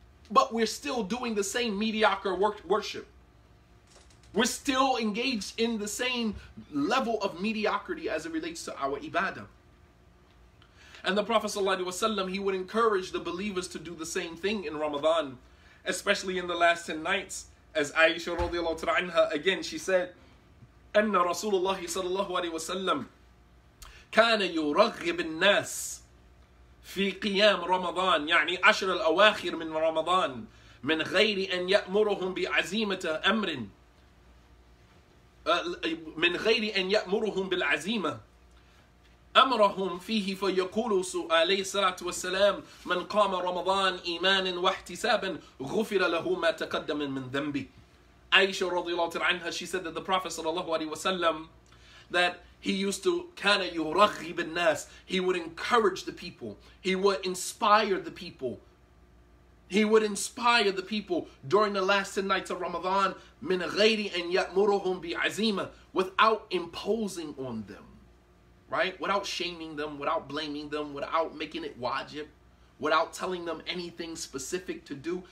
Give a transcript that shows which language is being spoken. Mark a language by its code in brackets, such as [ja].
[en] But we're still doing the same mediocre worship. We're still engaged in the same level of mediocrity as it relates to our ibadah. And the Prophet sallallahu alaihi wasallam, he would encourage the believers to do the same thing in Ramadan, especially in the last 10 nights. As Aisha radiallahu ta'ala anha, again, she said, [ar] أن رسول الله صلى الله عليه وسلم كان يرغب الناس في قيام رمضان يعني عشر الأواخر من رمضان من غير أن يأمرهم بعزيمة أمر من غير أن يأمرهم بالعزيمة أمرهم فيه فيقول عليه الصلاة والسلام من قام رمضان إيمانا واحتسابا غفر له ما تقدم من ذنبه. عائشة رضي الله تعالى عنها, [en] she said that the Prophet صلى الله عليه وسلم, that he used to [ar] kana yuraghib an-nas, [en] he would encourage the people, he would inspire the people, he would inspire the people during the last 10 nights of Ramadan [ar] min ghayri an ya'muruhum bi'azima, [en] without imposing on them, right, without shaming them, without blaming them, without making it wajib, without telling them anything specific to do.